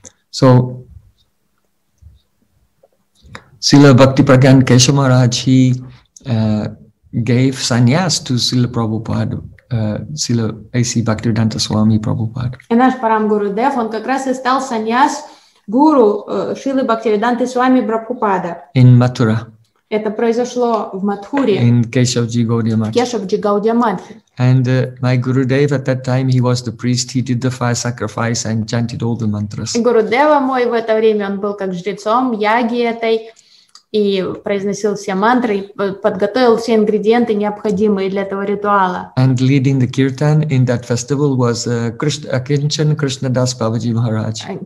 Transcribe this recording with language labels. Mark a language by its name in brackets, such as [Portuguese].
[English] So Srila Bhakti Pragyan Kesha Maharaj, he gave sannyas to Srila Prabhupada, Srila A.C. Bhaktivedanta Swami Prabhupada. And [Russian] наш Парам Гурудев, он как раз и стал сannyas гуру Шрилы Бхактивиданты Свами Прабхупада. [English] In Mathura. [Russian] Это произошло в Матхуре. [English] In Кешавджи Гаудия Матхи. [Russian] Кешавджи Гаудия Матхи. [English] And my Gurudev at that time, he was the priest, he did the fire sacrifice and chanted all the mantras. [Russian] Гурудева мой в это время, он был как жрецом яги этой, и произносил все мантры, подготовил все ингредиенты, необходимые для этого ритуала. [English] And leading the kirtan in that festival was Akinchan Krishnadas Babaji Maharaj.